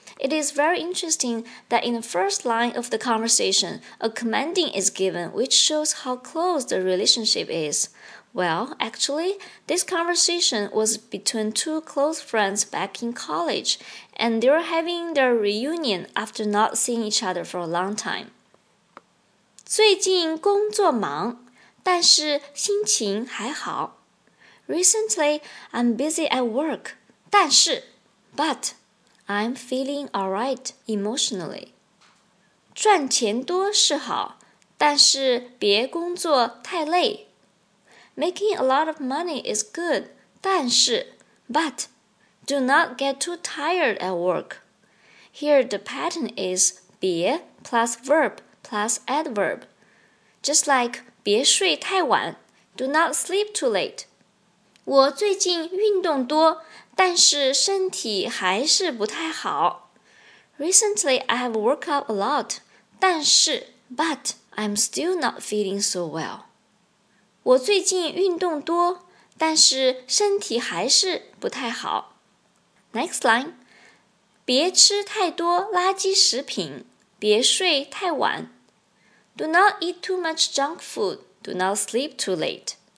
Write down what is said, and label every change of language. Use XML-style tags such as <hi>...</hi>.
<en>It is very interesting that in the first line of the conversation, a commanding is given which shows how close the relationship is. Well, actually, this conversation was between two close friends back in college, and they're having their reunion after not seeing each other for a long time.</en> <zh>最近工作忙，但是心情还好。</zh> <en>Recently, I'm busy at work,</en> <zh>但是</zh> <en>but... I'm feeling alright emotionally.</en> <zh>赚钱多是好，但是别工作太累。</zh> <en>Making a lot of money is good,</en> <zh>但是</zh> <en>but do not get too tired at work. Here the pattern is 别 plus verb plus adverb. Just like</en> <zh>别睡太晚</zh> <en>do not sleep too late.</en> <zh>我最近运动多但是身体还是不太好。</zh> <en>Recently, I have worked out a lot,</en> <zh>但是</zh> <en>but I'm still not feeling so well.</en> <zh>我最近运动多但是身体还是不太好。</zh> <en>Next line,</en> <zh>别吃太多垃圾食品别睡太晚。</zh> <en>Do not eat too much junk food, do not sleep too late.</en>